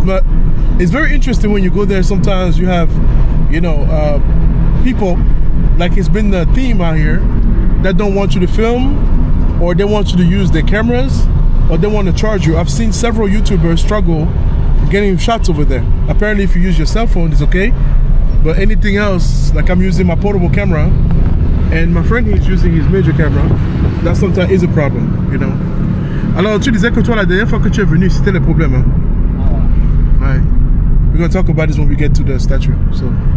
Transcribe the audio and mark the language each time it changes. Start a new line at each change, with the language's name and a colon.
English: But it's very interesting when you go there, sometimes you have, you know, people, like it's been the theme out here, that don't want you to film, or they want you to use their cameras, or they want to charge you. I've seen several YouTubers struggle getting shots over there. Apparently, if you use your cell phone, it's okay. But anything else, like I'm using my portable camera, and my friend is using his major camera, that sometimes is a problem, you know.
French: Alors, tu disais que toi, la dernière fois que tu es venu, c'était le problème, hein? Ah.
English: Right. We're going to talk about this when we get to the statue, so.